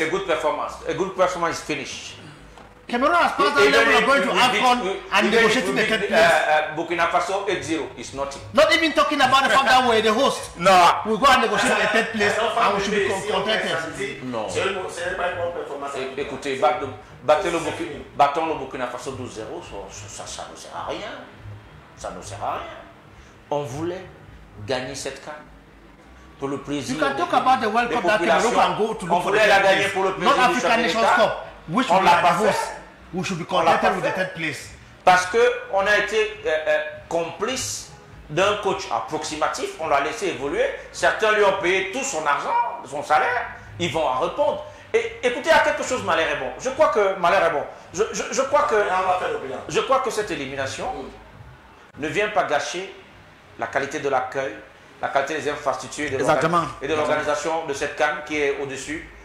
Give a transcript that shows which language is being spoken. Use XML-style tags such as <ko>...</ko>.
<en>A good performance. A good performance is finished. Cameroon has passed that level of going to AFCON and negotiating the third place. Burkina Faso 8-0 is nothing. Not even talking about the fact that we're the host. No. We'll go and negotiate the third place and we should be contented. No.</en> <fr>Écoutez, battons le Burkina Faso 2-0, ça ne sert à rien. Ça ne sert à rien. On voulait gagner cette CAN. Pour le plaisir.</fr> <en>You can talk about the World Cup that Cameroon can go to look for the third place. Not African Nations Cup. Which</en> <fr>on l'a pas fait.</fr> <en>We should be contented with the third place.</en> <fr>Parce qu'on a été complice d'un coach approximatif. On l'a laissé évoluer. Certains lui ont payé tout son argent, son salaire. Ils vont en répondre. Et écoutez, à quelque chose, malheur est bon. Je crois que malheur est bon. Je crois que cette élimination ne vient pas gâcher la qualité de l'accueil, la qualité des infrastructures et de l'organisation de cette CAN qui est au-dessus.</fr>